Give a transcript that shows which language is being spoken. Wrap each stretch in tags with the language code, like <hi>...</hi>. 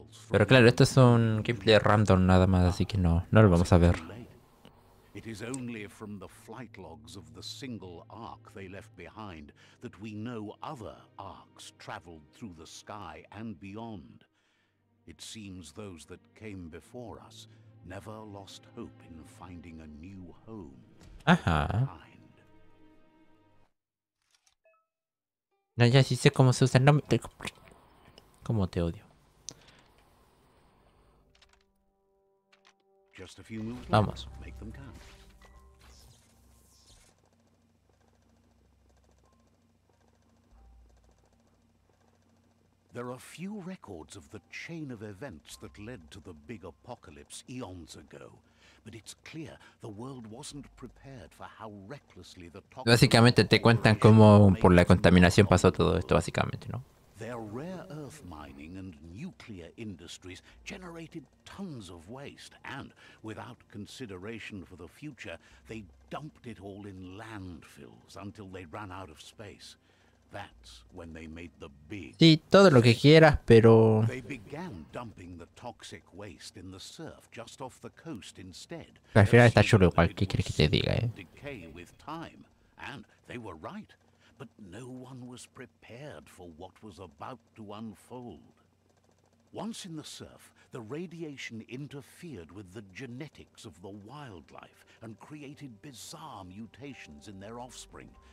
<es>Pero claro, esto es un gameplay random nada más, así que no lo vamos a ver.</es> <en>It is only from the flight logs of the single arc they left behind that we know other arcs traveled through the sky and beyond. It seems those that came before us never lost hope in finding a new home. Ajá. Behind.</en> <es>No, ya sí sé cómo se usa el nombre. Cómo te odio.</es> <en>Just a few moves.</en> <es>Vamos.</es> <en>Make them count. There are few records of the chain of events that led to the big apocalypse eons ago, but it's clear the world wasn't prepared for how recklessly the toxic.</en> <es>Básicamente te cuentan cómo por la contaminación pasó todo esto, básicamente, ¿no?</es> <en>Their rare earth mining and nuclear industries generated tons of waste, and without consideration for the future, they dumped it all in landfills until they ran out of space. That's when they made the big.</en> <es>Sí, todo lo que quieras, pero</es> <en>they began dumping the toxic waste in the surf just off the coast instead.</en> <es>Al final está chulo igual, ¿qué quieres que te diga, eh?</es> <en>Decay with time, and they were right, but no one was prepared for what was about to unfold. Once in the surf, the radiation interfered with the genetics of the wildlife and created bizarre mutations in their offspring.</en>